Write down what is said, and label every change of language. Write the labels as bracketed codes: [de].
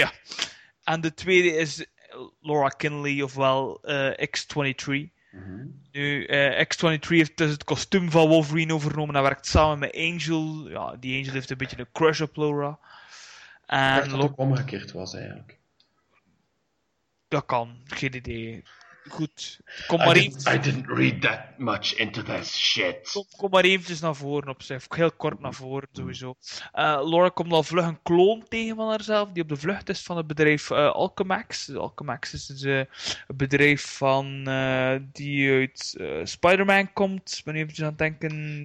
[nl] Ja. En de tweede is Laura Kinley, ofwel X-23. Mm-hmm. Nu, X-23 heeft dus het kostuum van Wolverine overgenomen. Hij werkt samen met Angel. Ja, die Angel heeft een beetje een crush op Laura. En ik dacht dat het ook omgekeerd was, eigenlijk. Dat kan. Geen idee. Goed, kom maar eventjes. [en] I didn't read that much into this shit. [nl] Kom maar eventjes naar voren op zich. Heel kort naar voren, sowieso. Laura komt al vlug een kloon tegen van haarzelf, die op de vlucht is van het bedrijf Alchemax. Alchemax is dus een bedrijf van die uit Spider-Man komt. Ik ben eventjes aan het denken.